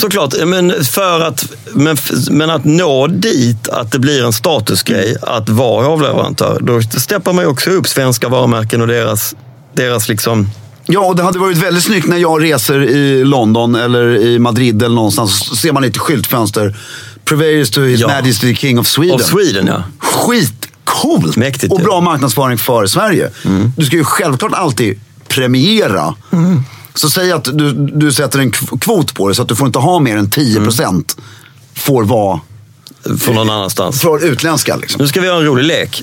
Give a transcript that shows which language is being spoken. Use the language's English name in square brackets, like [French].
[Swedish] Såklart, men, för att, men att nå dit att det blir en statusgrej att vara hovleverantör, då steppar man ju också upp svenska varumärken och deras liksom... Ja, och det hade varit väldigt snyggt när jag reser i London eller i Madrid eller någonstans, ser man lite skyltfönster. [English] Purveyors to his majesty the king of Sweden. Of Sweden, ja. [Swedish] Skitcoolt! Mäktigt. Och bra marknadsföring för Sverige. Mm. Du ska ju självklart alltid premiera. Mm. Så säg att du sätter en kvot på det så att du får inte ha mer än 10% får vara... Från någon annanstans. Från utländska liksom. Nu ska vi ha en rolig lek.